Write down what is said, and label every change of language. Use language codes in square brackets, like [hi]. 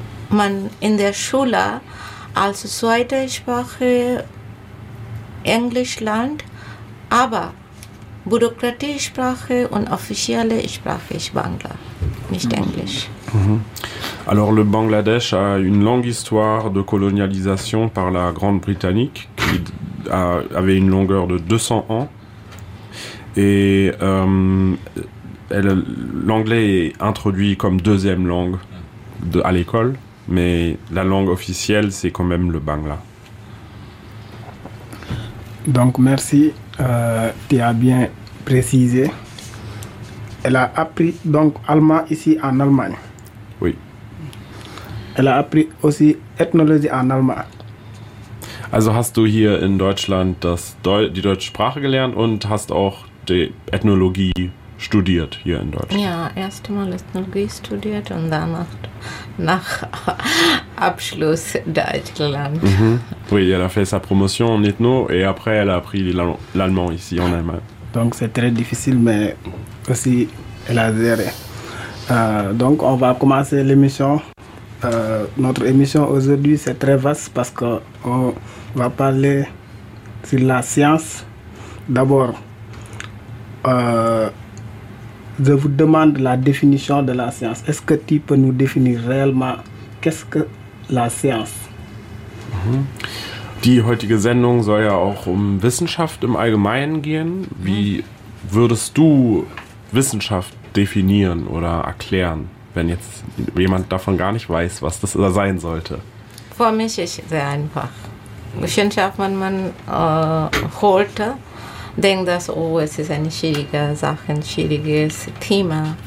[de] man in der Schule als zweite Sprache Englisch lernt, aber Bürokratie-Sprache und offizielle Sprache ist Bangla, nicht Englisch. [fr] Alors le Bangladesch a une longue histoire de colonialisation par la Grande-Britannique qui avait une longueur de 200 ans. Et l'anglais est introduit comme deuxième langue à l'école, mais la langue officielle c'est quand même le Bangla. Donc merci, tu as bien précisé. Elle a appris donc allemand ici en Allemagne. Oui. Elle a appris aussi ethnologie en allemand. [de] Also hast du hier in Deutschland die deutsche Sprache gelernt und hast auch die Ethnologie studiert hier in Deutschland? Ja, erstmal Ethnologie studiert und danach nach Abschluss Deutsch gelernt. [fr] Oui, elle a fait sa promotion en ethno et après elle a appris l'allemand ici en Allemagne. Donc c'est très difficile, mais aussi elle a géré. Donc on va commencer l'émission. Notre émission aujourd'hui c'est très vaste parce qu'on va parler sur la science. D'abord, je vous demande la définition de la science. Est-ce que tu peux nous définir réellement qu'est-ce que la science? [de] Die heutige Sendung soll ja auch um Wissenschaft im Allgemeinen gehen. Wie würdest du Wissenschaft definieren oder erklären, wenn jetzt jemand davon gar nicht weiß, was das da sein sollte? Für mich ist es sehr einfach. Wissenschaft, wenn man holt, denkt das, oh, es ist eine schwierige Sache, ein schwieriges Thema.